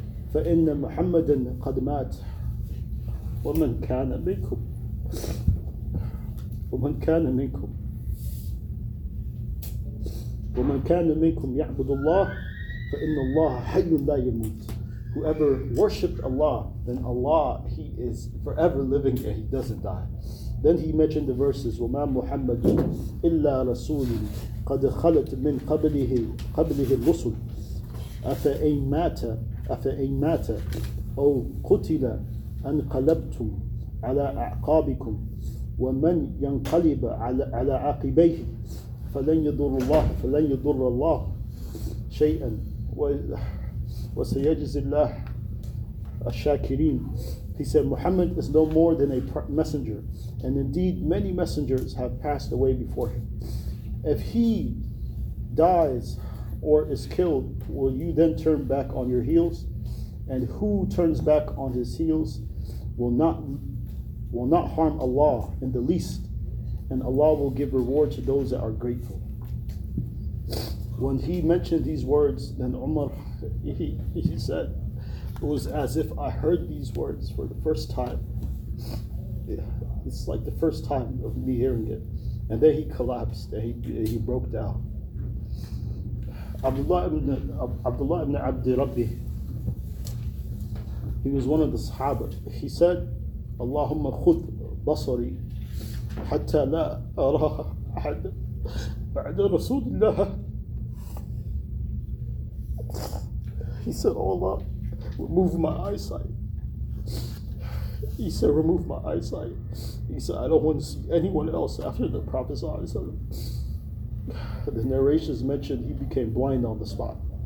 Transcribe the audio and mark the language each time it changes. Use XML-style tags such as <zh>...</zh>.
<ar>فَإِنَّ مُحَمَّدًا قَدْ مَاتْ وَمَنْ كَانَ مِنْكُمْ يَعْبُدُ اللَّهِ فَإِنَّ اللَّهَ حَيٌّ لَا يَمُوتْ.</ar> <en>Whoever worshipped Allah, then Allah, he is forever living and he doesn't die. Then he mentioned the verses,</en> <ar>وَمَا مُحَمَّدٌ إِلَّا رَسُولٌ قَدْ خَلَتْ مِنْ قَبْلِهِ الرُّسُلُ أَفَإِنْ مَاتَ أَفَإِنْ مَاتَ أَوْ قُتِلَ أَنْقَلَبْتُمْ عَلَىٰ أَعْقَابِكُمْ وَمَنْ يَنْقَلِبَ عَلَىٰ عَقِبَيْهِ فَلَنْ يَضُرَّ اللَّهُ شَيْئًا وَسَيَجْزِ اللَّهُ الشَّاكِرِينَ.</ar> <en>He said, Muhammad is no more than a messenger, and indeed many messengers have passed away before him. If he dies or is killed, will you then turn back on your heels? And who turns back on his heels will not harm Allah in the least, and Allah will give reward to those that are grateful. When he mentioned these words, then Umar, he said, it was as if I heard these words for the first time. It's like the first time of me hearing it. And then he collapsed and he broke down. Abdullah ibn Abdi Rabbi, he was one of the Sahaba. He said,</en> <ar>Allahumma khud basari حتى لا أراها أحد بعد رسول الله.</ar> <en>He said, oh Allah, remove my eyesight. He said, remove my eyesight. He said, I don't want to see anyone else after the Prophet. The narrations mentioned he became blind on the spot.</en>